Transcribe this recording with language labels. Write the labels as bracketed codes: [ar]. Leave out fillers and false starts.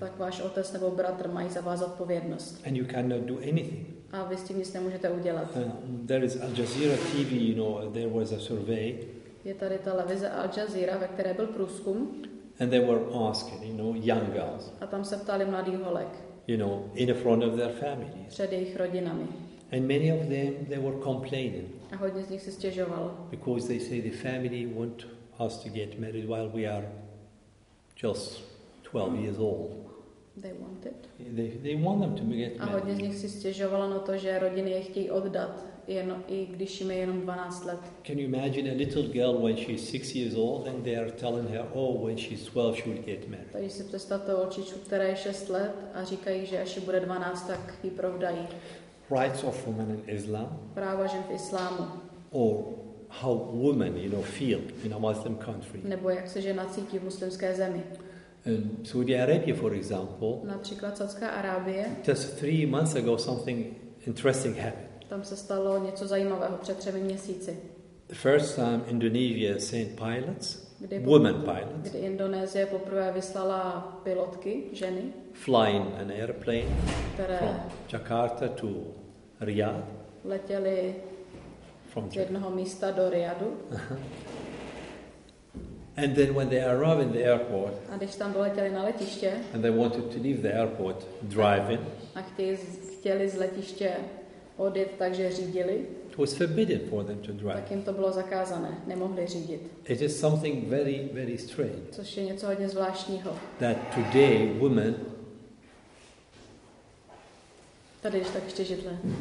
[cs] Tak váš otec nebo bratr mají za vás odpovědnost. [en] And you cannot do anything. [cs] A vy s tím nic nemůžete udělat. [en] There is Al Jazeera TV, you know, there was a survey. [cs] Je tady televize Al Jazeera, ve které byl průzkum. [en] And they were asking, you know, young girls. [cs] A tam se ptali mladý holek. [en] You know, in front of their families. [cs] Před jejich rodinami. [en] And many of them, they were complaining. [cs] A hodně z nich se stěžovalo. [en] Because they say the family won't us to get married while we are just 12 years old. They want it. They want them to get married. [cs] A hodně z nich si stěžovalo na to, že rodiny je chtějí oddat, i když jim je jenom 12 let. [en] Can you imagine a little girl when she's 6 years old and they are telling her, oh, when she's 12 she will get married. [cs] Takže si představte holčičku, která je 6 let a říkají, že až bude 12, tak ji provdají. [en] Rights of women in Islam. [cs] Práva žen v islámu. [en] Or how women, you know, feel in a Muslim country. [cs] Nebo jak se žena cítí v muslimské zemi. [en] Saudi Arabia, for example. [cs] Například Saudská Arábie. [en] Just 3 months ago, something interesting happened. [cs] Tam se stalo něco zajímavého před 3 měsíci. [en] The first time Indonesia sent pilots, women pilots. [cs] Kdy Indonésie poprvé vyslala pilotky, ženy. [en] Flying an airplane from Jakarta to Riyadh. [cs] Letěli z jednoho místa do Riyadu. [en] And then when they arrived in the airport, [cs] a když tam doletěli na letiště, [en] and they wanted to leave the airport driving, [cs] a chtěli z letiště odjet, takže řídili, [en] it was forbidden for them to drive. [cs] Tak jim to bylo zakázané, nemohli řídit. [en] It is something very, very strange. [cs] Což je něco hodně zvláštního. [en] That today women, [cs] tady ještě tak ještě židle.